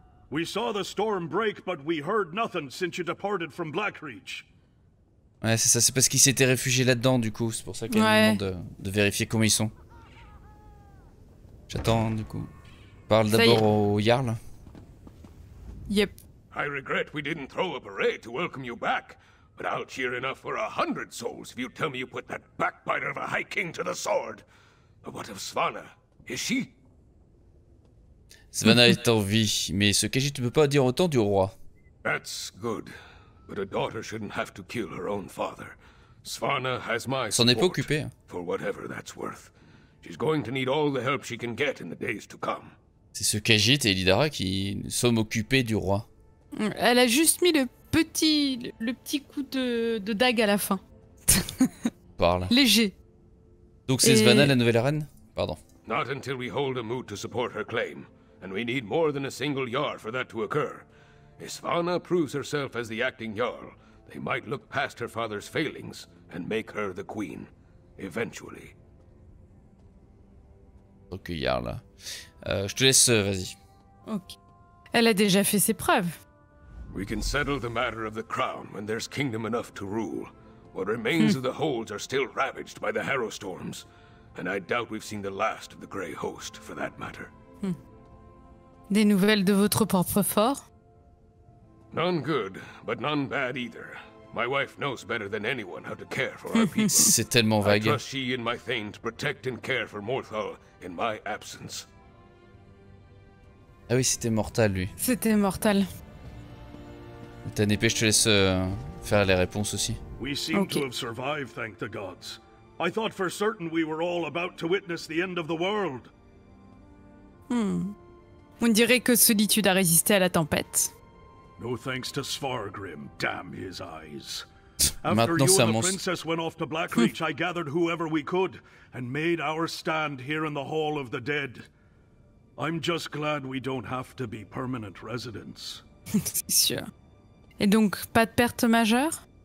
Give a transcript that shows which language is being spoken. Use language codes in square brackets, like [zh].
[en] We saw the storm break, but we heard nothing since you departed from Blackreach. [fr] Ouais, c'est ça. C'est parce qu'ils s'étaient réfugiés là-dedans, du coup. C'est pour ça qu'il me demande de vérifier comment ils sont. J'attends, du coup. Parle d'abord au Jarl. [en] Yep. I regret we didn't throw a parade to welcome you back, but I'll cheer enough for 100 souls if you tell me you put that backbiter of a High King to the sword. But what of Svana? Is she? [fr] Svana est en vie, mais ce Khajiit ne peut pas dire autant du roi. [en] That's good, but a daughter shouldn't have to kill her own father. Svana has my [fr] s'en est pas occupé. [en] For whatever that's worth, she's going to need all the help she can get in the days to come. [fr] C'est ce Khajiit et Illidara qui sommes occupés du roi. Elle a juste mis le petit coup de dague à la fin. Parle. Léger. Donc c'est Svana la nouvelle reine? Pardon. [en] Not until we hold a moot to support her claim. And we need more than a single jarl for that to occur. If Svana proves herself as the acting jarl, they might look past her father's failings and make her the queen. Eventually. [fr] Ok, jarl. Je te laisse, vas-y. Ok. Elle a déjà fait ses preuves. [en] We can settle the matter of the crown when there's kingdom enough to rule. What remains of the holds are still ravaged by the Harrow Storms. And I doubt we've seen the last of the Grey Host, for that matter. [fr] Des nouvelles de votre propre fort? [en] None good, but none bad either. My wife knows better than anyone how to care for our people. [fr] C'est tellement vague. [en] I trust she and my thanes protect and care for Morthal in my absence. [fr] Ah oui, c'était mortal, lui. C'était mortal. T'as une épée, je te laisse faire les réponses aussi. [en] We seem to have survived, thank the gods. I thought for certain we were all about to witness the end of the world. [fr] On dirait que Solitude a résisté à la tempête. [en] No thanks to Svargrim, damn his eyes. After you and the princess went off to Blackreach, I gathered whoever we could and made our stand here in the Hall of the Dead. I'm just glad we don't have to be permanent residents. [fr] C'est sûr. Et donc, pas de pertes majeures?